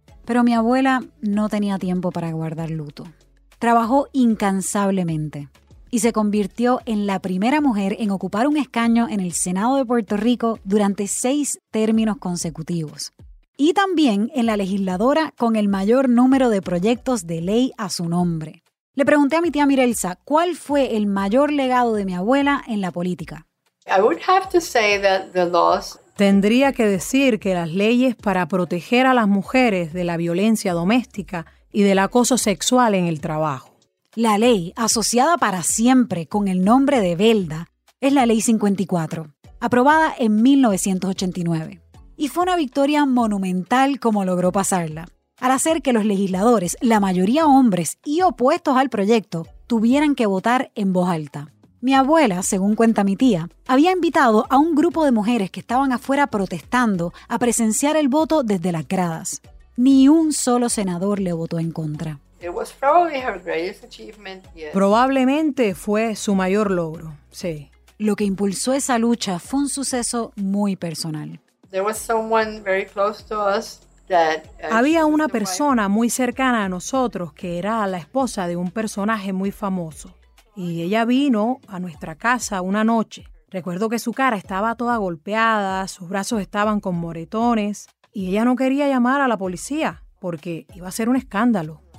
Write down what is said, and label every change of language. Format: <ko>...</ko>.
<es>Pero mi abuela no tenía tiempo para guardar luto. Trabajó incansablemente y se convirtió en la primera mujer en ocupar un escaño en el Senado de Puerto Rico durante 6 términos consecutivos. Y también en la legisladora con el mayor número de proyectos de ley a su nombre. Le pregunté a mi tía Mirelsa cuál fue el mayor legado de mi abuela en la política.</es> <en>I would have to say that the laws...</en> <es>Tendría que decir que las leyes para proteger a las mujeres de la violencia doméstica y del acoso sexual en el trabajo. La ley, asociada para siempre con el nombre de Velda, es la Ley 54, aprobada en 1989. Y fue una victoria monumental como logró pasarla, al hacer que los legisladores, la mayoría hombres y opuestos al proyecto, tuvieran que votar en voz alta. Mi abuela, según cuenta mi tía, había invitado a un grupo de mujeres que estaban afuera protestando a presenciar el voto desde las gradas. Ni un solo senador le votó en contra.</es> <en>It was probably her greatest achievement, yes.</en> <es>Probablemente fue su mayor logro, sí. Lo que impulsó esa lucha fue un suceso muy personal.</es> <en>There was someone very close to us that,</en> <es>había una persona muy cercana a nosotros que era la esposa de un personaje muy famoso. Y ella vino a nuestra casa una noche. Recuerdo que su cara estaba toda golpeada, sus brazos estaban con moretones. Y ella no quería llamar a la policía porque iba a ser un escándalo.</es>